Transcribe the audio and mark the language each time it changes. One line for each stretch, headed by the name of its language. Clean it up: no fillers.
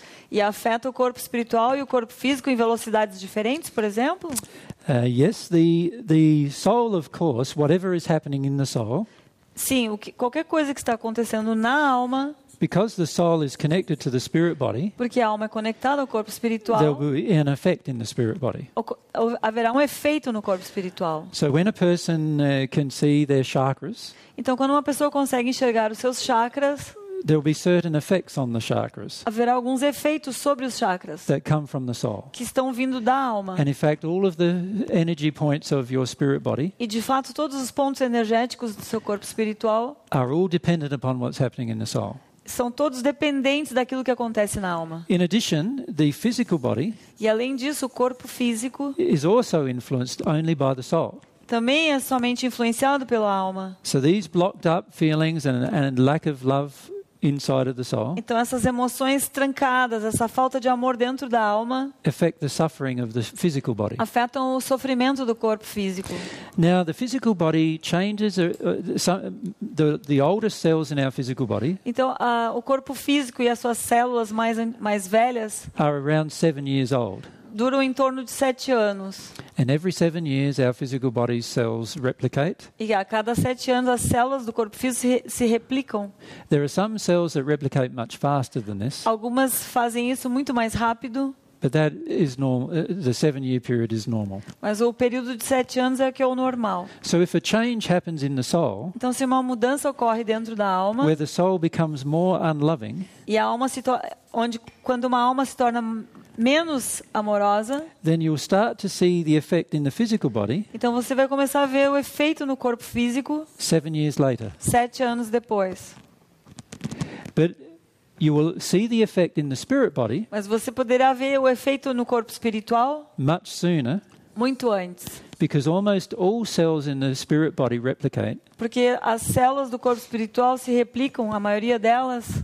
Portuguese: E afeta o corpo espiritual e o corpo físico em velocidades diferentes, por exemplo?
English: Yes, the soul, of course, whatever is happening in the soul.
Portuguese: Sim, qualquer coisa que está acontecendo na alma.
English: Because the soul is connected to the spirit body.
Portuguese: Porque a alma é conectada ao corpo espiritual.
English: There will be an effect in the spirit body.
Portuguese: Haverá um efeito no corpo espiritual.
English: So when a person can see their chakras.
Portuguese: Então, quando uma pessoa consegue enxergar os seus chakras.
English: There will be certain effects on the chakras.
Portuguese: Haverá alguns efeitos sobre os chakras.
English: That come from the soul.
Portuguese: Que estão vindo da alma.
English: And in fact, all of the energy points of your spirit body.
Portuguese: E de fato todos os pontos energéticos do seu corpo espiritual.
English: Are all dependent upon what's happening in the soul.
Portuguese: São todos dependentes daquilo que acontece na alma.
English: In addition, the physical body.
Portuguese: E além disso, o corpo físico.
English: Is also influenced only by the soul.
Portuguese: Também é somente influenciado pela alma.
English: So these blocked up feelings and lack of love. Inside of the soul.
Portuguese: Então essas emoções trancadas, essa falta de amor dentro da alma,
English: affect the suffering of the physical body.
Portuguese: Afetam o sofrimento do corpo físico.
English: Now the physical body changes the oldest cells in our physical body.
Portuguese: Então o corpo físico e as suas células mais velhas
English: are around 7 years old.
Portuguese: Duram em torno de 7 anos.
English: And every 7 years, our physical body's cells replicate.
Portuguese: E a cada 7 anos, as células do corpo físico se replicam.
English: There are some cells that replicate much faster than this.
Portuguese: Algumas fazem isso muito mais rápido.
English: But that is normal. The 7 year period is normal.
Portuguese: Mas o período de 7 anos é que é o normal.
English: So if a change happens in the soul,
Portuguese: então se uma mudança ocorre dentro da alma,
English: where the soul becomes more unloving,
Portuguese: e a alma se onde quando uma alma se torna menos amorosa,
English: then you'll start to see the effect in the physical body.
Portuguese: Então você vai começar a ver o efeito no corpo físico.
English: 7 years later.
Portuguese: 7 anos depois.
English: But you will see the effect in the spirit body.
Portuguese: Mas você poderá ver o efeito no corpo espiritual.
English: Much sooner.
Portuguese: Muito antes.
English: Because almost all cells in the spirit body replicate.
Portuguese: Porque as células do corpo espiritual se replicam, a maioria delas.